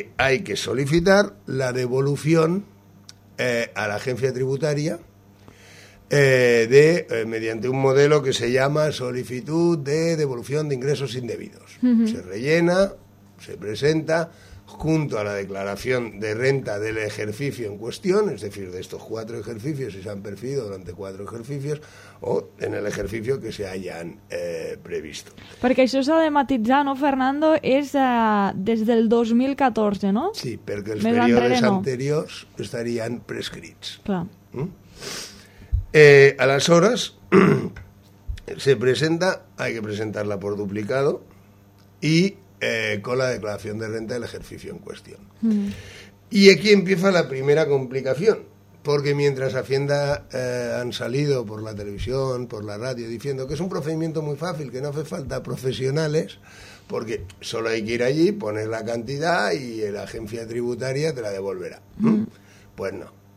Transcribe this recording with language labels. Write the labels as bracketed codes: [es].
[es] Hay que solicitar la devolución a la Agencia Tributaria mediante un modelo que se llama solicitud de devolución de ingresos indebidos. Uh-huh. Se rellena, se presenta junto a la declaración de renta del ejercicio en cuestión, es decir, de estos cuatro ejercicios, si se han percibido durante cuatro ejercicios, o en el ejercicio que se hayan previsto. [ca] Perquè això s'ha de matitzar, no, Fernando? És des del 2014, no? Sí, perquè els períodes anteriors estarien prescrits. Clar. [es] Aleshores, se presenta, hay que presentarla por duplicado, y con la declaración de renta del ejercicio en cuestión. Y aquí empieza la primera complicación, porque mientras Hacienda han salido por la televisión, por la radio, diciendo que es un procedimiento muy fácil, que no hace falta profesionales, porque solo hay que ir allí, poner la cantidad y la Agencia Tributaria te la devolverá. Pues no.